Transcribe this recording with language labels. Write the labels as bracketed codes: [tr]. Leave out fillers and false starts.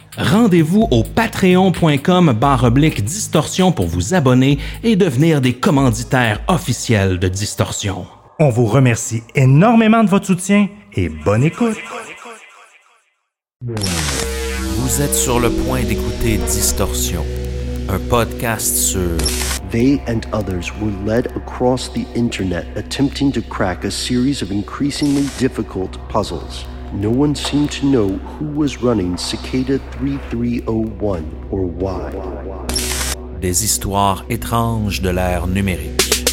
[fr] Rendez-vous au patreon.com/distorsion pour vous abonner et devenir des commanditaires officiels de Distorsion. On vous remercie énormément de votre soutien et bonne écoute. Vous êtes sur le point d'écouter Distorsion, un podcast sur... [en] They and others were led across the internet attempting to crack a series of increasingly difficult puzzles. No one seemed to know who was running Cicada 3301 or why. [fr] Des histoires étranges de l'ère numérique.